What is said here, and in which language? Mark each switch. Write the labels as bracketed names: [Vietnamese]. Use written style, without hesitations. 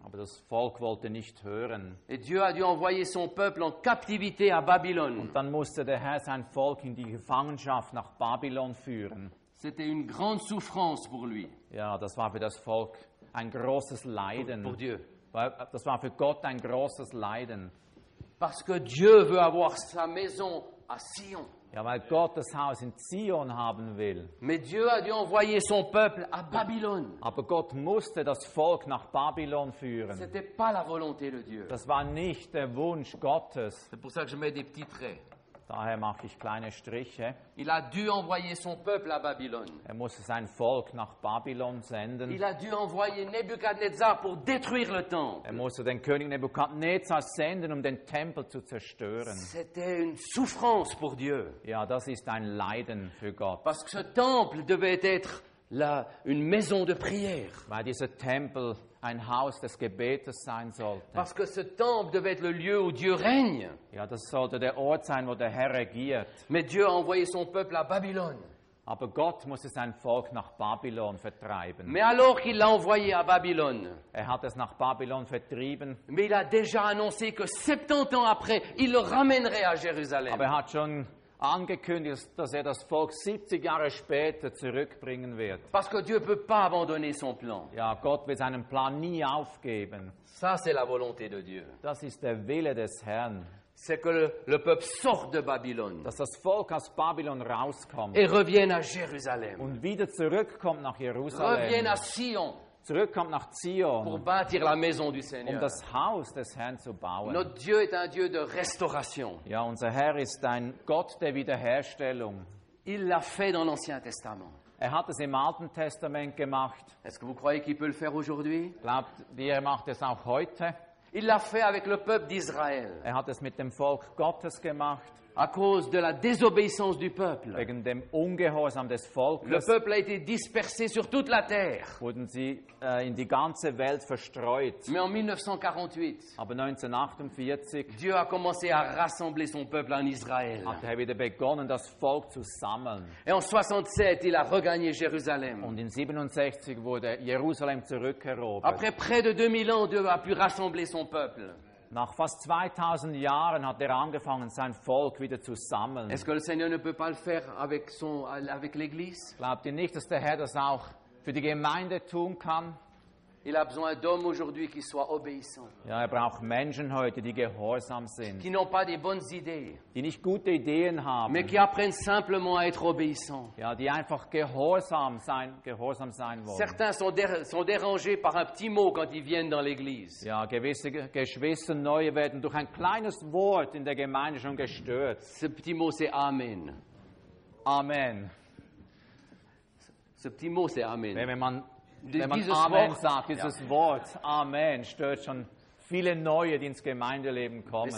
[German] Aber das Volk wollte nicht hören. [French] Et Dieu a dû envoyer son peuple en captivité à Babylone. [German] Und dann musste der Herr sein Volk in die Gefangenschaft nach Babylon führen. [French] C'était une grande souffrance pour lui. [German] Ja, das war für das Volk ein großes Leiden. [French] Pour Dieu. [German] Das war für Gott ein großes Leiden. [French] Parce que Dieu veut avoir sa maison à Sion. [German] Ja, weil Gott das Haus in Zion haben will. [French] Mais Dieu a dû envoyer son peuple à Babylone. [German] Aber Gott musste das Volk nach Babylon führen. [French] C'était pas la volonté de Dieu. [German] Das war nicht der Wunsch Gottes. [French] C'est pour ça que je mets des petits traits. [German] Daher mache ich kleine Striche. [French] Il a dû envoyer son peuple à Babylone. [German] Er musste sein Volk nach Babylon senden. [French] Il a dû envoyer Nebuchadnezzar pour détruire le temple. [German] Er musste den König Nebuchadnezzar senden, um den Tempel zu zerstören. [French] C'était une souffrance pour Dieu. [German] Ja, das ist ein Leiden für Gott. [French] Parce que ce temple devait être là une maison de prière. [German] Weil dieser Tempel ein Haus des Gebetes sein sollte. [French] Parce que ce temple devait être le lieu où Dieu règne. [German] Ja, das sollte der Ort sein, wo der Herr regiert. [French] Mais Dieu a envoyé son peuple à Babylone. [German] Aber Gott musste sein Volk nach Babylon vertreiben. [French] Mais alors qu'il l'a envoyé à Babylone. [German] Er hat es nach Babylon vertrieben. [French] Mais il a déjà annoncé que 70 ans après, il le ramènerait à Jérusalem. [German] Aber er hat schon angekündigt, dass er das Volk 70 Jahre später zurückbringen wird. [French] Parce que Dieu peut pas abandonner son plan. [German] Ja, Gott will seinen Plan nie aufgeben. [French] Ça, c'est la volonté de Dieu. [German] Das ist der Wille des Herrn. [French] C'est que le peuple sort de Babylone. [German] Dass das Volk aus Babylon rauskommt. [French] Et revienne à Jérusalem. [German] Und wieder zurückkommt nach Jerusalem. [French] Revienne à Sion. [German] Zurückkommt nach Zion. [French] Pour bâtir la maison du Seigneur. [German] Um das Haus des Herrn zu bauen. [French] Notre Dieu est un Dieu de restauration. [German] Ja, unser Herr ist ein Gott der Wiederherstellung. [French] Il l'a fait dans l'Ancien Testament. [German] Er hat es im Alten Testament gemacht. [French] Est-ce que vous croyez qu'il peut le faire aujourd'hui? [German] Glaubt ihr, er macht es auch heute? [French] Il l'a fait avec le peuple d'Israël. [German] Er hat es mit dem Volk Gottes gemacht. [French] À cause de la désobéissance du peuple. [German] Wegen dem Ungehorsam des Volkes. [French] Le peuple a été dispersé sur toute la terre. [German] Wurden sie in die ganze Welt verstreut. [French] Mais en 1948. [German] Aber 1948. [French] Dieu a commencé à rassembler son peuple en Israël. [German] Hat er wieder begonnen, das Volk zu sammeln. [French] Et en 67, il a regagné Jérusalem. [German] Und in 67 wurde Jerusalem zurückerobert. [French] Après près de 2000 ans, Dieu a pu rassembler son peuple. [German] Nach fast 2000 Jahren hat er angefangen, sein Volk wieder zu sammeln. [French] Est-ce que le Seigneur ne peut pas le faire avec son, avec l'Église? [German] Glaubt ihr nicht, dass der Herr das auch für die Gemeinde tun kann? [French] Il a besoin d'hommes aujourd'hui qui soient obéissants. [German] Ja, er braucht Menschen heute, die gehorsam sind. [French] Qui n'ont pas des bonnes idées. [German] Die nicht gute Ideen haben. [French] Mais qui apprennent simplement à être obéissants. [German] Ja, die einfach gehorsam sein wollen. [French] Certains sont dérangés par un petit mot quand ils viennent dans l'église. [German] Ja, gewisse Geschwister neue werden durch ein kleines Wort in der Gemeinde schon gestört. [French] Ce petit mot c'est Amen. [German] Amen. [French] Ce petit mot c'est Amen. [German] Wenn man Amen sagt, dieses Wort Amen stört schon viele Neue, die ins Gemeindeleben kommen.